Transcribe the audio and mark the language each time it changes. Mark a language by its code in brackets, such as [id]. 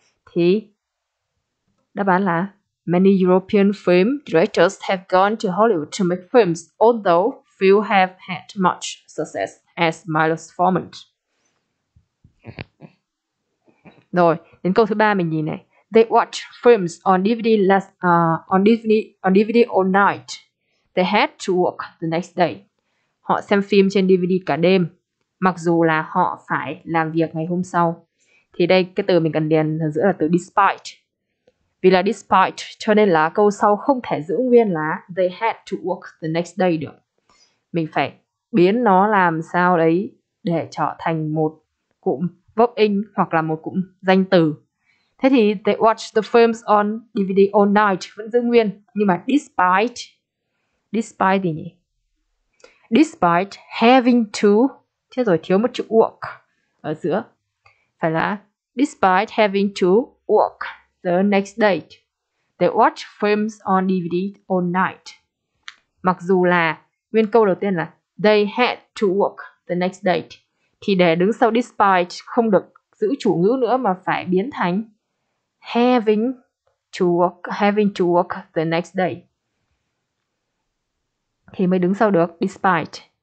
[vi] Thì đáp án là [en] Many European film directors have gone to Hollywood to make films, although few have had much success as Milos Forman. [vi] Rồi, đến câu thứ ba mình nhìn này. [en] They watch films on DVD last on DVD all night. They had to work the next day. [vi] Họ xem phim trên DVD cả đêm, mặc dù là họ phải làm việc ngày hôm sau. Thì đây cái từ mình cần điền ở giữa là từ despite. Vì là despite cho nên là câu sau không thể giữ nguyên là [en] they had to work the next day [vi] được. Mình phải biến nó làm sao đấy để trở thành một cụm verb in hoặc là một cụm danh từ. Thế thì [en] they watch the films on DVD all night [vi] vẫn giữ nguyên, nhưng mà despite gì nhỉ? [en] Despite having to, [vi] thế rồi thiếu một chữ work ở giữa. Phải là [en] despite having to work the next day, they watch films on DVD all night. [vi] Mặc dù là nguyên câu đầu tiên là [en] they had to work the next day, [vi] thì để đứng sau despite không được giữ chủ ngữ nữa mà phải biến thành [en] having to work the next day [vi] thì mới đứng sau được despite.